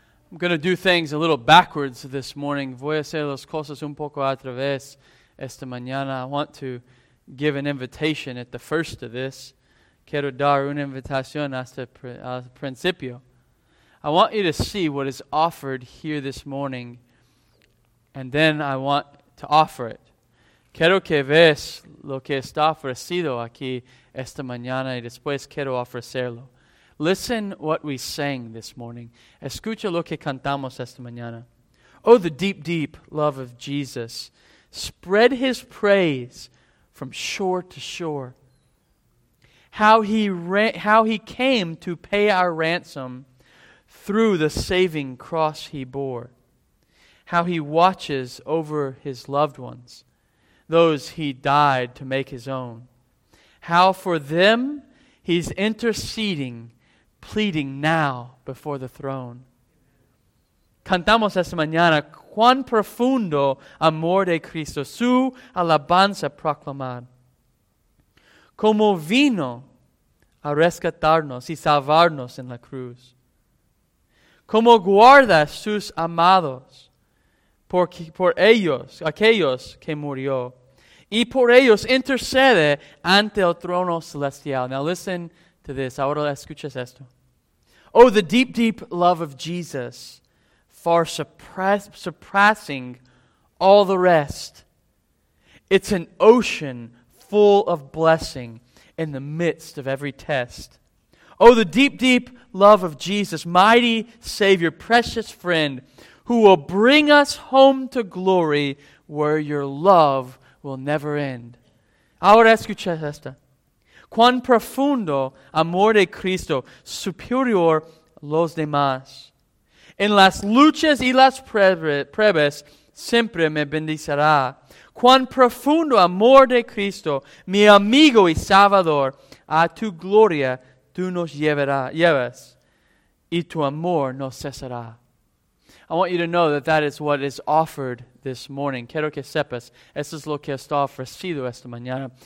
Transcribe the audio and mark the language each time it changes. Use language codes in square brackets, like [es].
[en] I'm going to do things a little backwards this morning. [es] Voy a hacer las cosas un poco a través esta mañana. [en] I want to give an invitation at the first of this. [es] Quiero dar una invitación hasta el principio. [en] I want you to see what is offered here this morning, and then I want to offer it. [es] Quiero que veas lo que está ofrecido aquí esta mañana y después quiero ofrecerlo. [en] Listen what we sang this morning. [es] Escucha lo que cantamos esta mañana. [en] Oh, the deep, deep love of Jesus. Spread his praise from shore to shore. How he came to pay our ransom through the saving cross he bore. How he watches over his loved ones, those he died to make his own. How for them he's interceding, pleading now before the throne. [es] Cantamos esta mañana, cuán profundo amor de Cristo, su alabanza proclamar. Como vino a rescatarnos y salvarnos en la cruz. Como guarda sus amados por ellos, aquellos que murió. Y por ellos intercede ante el trono celestial. [en] Now listen to this. [es] Ahora escuchas esto. [en] Oh, the deep, deep love of Jesus, far surpassing all the rest. It's an ocean full of blessing in the midst of every test. Oh, the deep, deep love of Jesus, mighty Savior, precious friend, who will bring us home to glory where your love will never end. [es] Ahora escucha esta. Cuán profundo amor de Cristo, superior los demás. En las luchas y las pruebas, siempre me bendicerá. Cuán profundo amor de Cristo, mi amigo y salvador, a tu gloria tú nos llevas, y tu amor no cesará. [en] I want you to know that that is what is offered this morning. [es] Quiero que sepas, eso es lo que está ofrecido esta mañana.